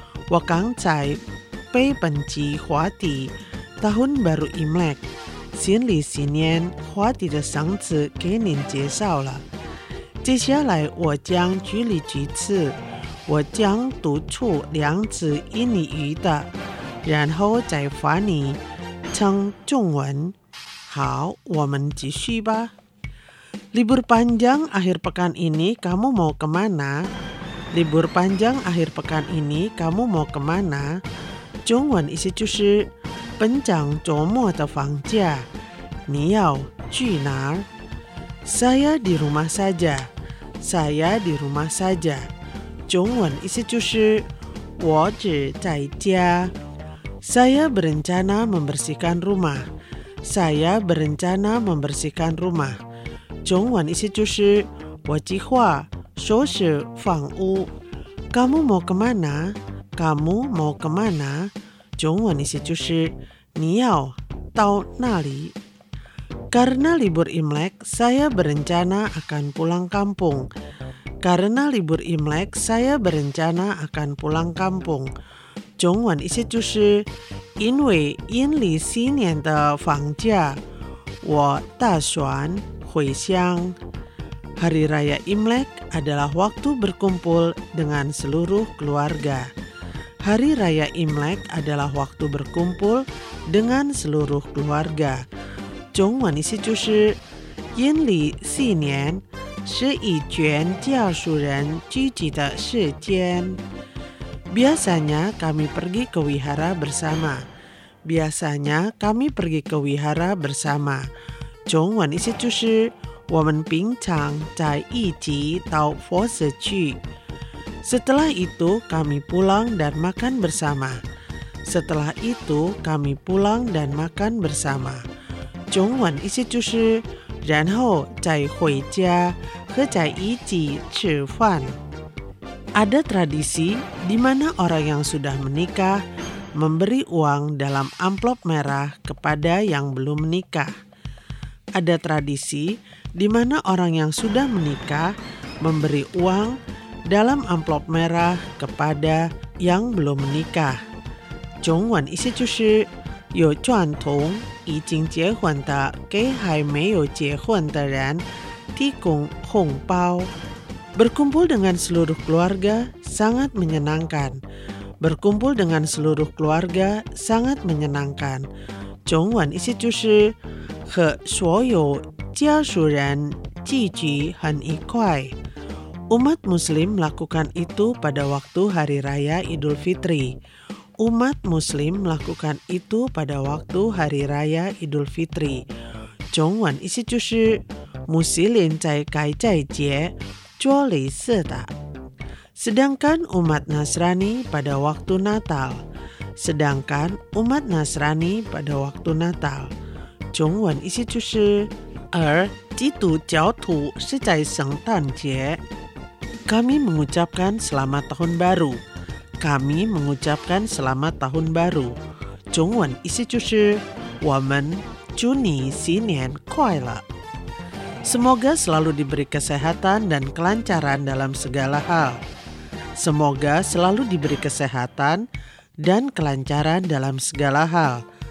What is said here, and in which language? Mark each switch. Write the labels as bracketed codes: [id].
[zh] 我刚才被本期话题 Tahun Baru Imlek 新历新年话题的生词给您介绍了，接下来我将举例几次，我将读出两次印尼语的，然后再翻译成中文。好，我们继续吧。 [id] Libur panjang akhir pekan ini kamu mau kemana? Libur panjang akhir pekan ini kamu mau kemana? [zh] 中文意思就是本场周末的放假，你要去哪儿？ [id] Saya di rumah saja. Saya di rumah saja. [zh] 中文意思就是我只在家。 [id] Saya berencana membersihkan rumah. Saya berencana membersihkan rumah. [zh] 中文意思就是我计划收拾房屋。 [id] Kamu mau kemana? Kamu mau kemana? [zh] 中文意思就是你要到哪里。 [id] Karena libur Imlek, saya berencana akan pulang kampung. Karena libur Imlek, saya berencana akan pulang kampung. [zh] 中文意思就是因为阴历新年的放假，我打算回乡。 [id] Hari Raya Imlek adalah waktu berkumpul dengan seluruh keluarga. Hari Raya Imlek adalah waktu berkumpul dengan seluruh keluarga. [zh] 中文意思就是阴历新年是以全家属人聚集的时间。 [id] Biasanya kami pergi ke wihara bersama. Biasanya kami pergi ke wihara bersama. [zh] 中文意思就是我们平常在一起到佛寺去。 [id] Setelah itu kami pulang dan makan bersama. Setelah itu kami pulang dan makan bersama. [zh] 中文意思就是然后再回家和在一起吃饭。 [id] Ada tradisi di mana orang yang sudah menikah memberi uang dalam amplop merah kepada yang belum menikah. Ada tradisi di mana orang yang sudah menikah memberi uang dalam amplop merah kepada yang belum menikah. [zh] 中文意思就是有传统已经结婚的给还没有结婚的人提供红包。 [id] Berkumpul dengan seluruh keluarga sangat menyenangkan. Berkumpul dengan seluruh keluarga sangat menyenangkan. [zh] 中文意思就是和所有家属人聚集很愉快。 [id] Umat Muslim melakukan itu pada waktu Hari Raya Idul Fitri. Umat Muslim melakukan itu pada waktu Hari Raya Idul Fitri. [zh] 中文意思就是穆斯林在该斋节做类似的。 [id] Sedangkan umat Nasrani pada waktu Natal. Sedangkan umat Nasrani pada waktu Natal. [zh] 中文意思就是而基督教徒是在圣诞节。 [id] Kami mengucapkan selamat tahun baru. Kami mengucapkan selamat tahun baru. [zh] 中文意思就是我们祝你新年快乐。 [id] Semoga selalu diberi kesehatan dan kelancaran dalam segala hal. Semoga selalu diberi kesehatan dan kelancaran dalam segala hal.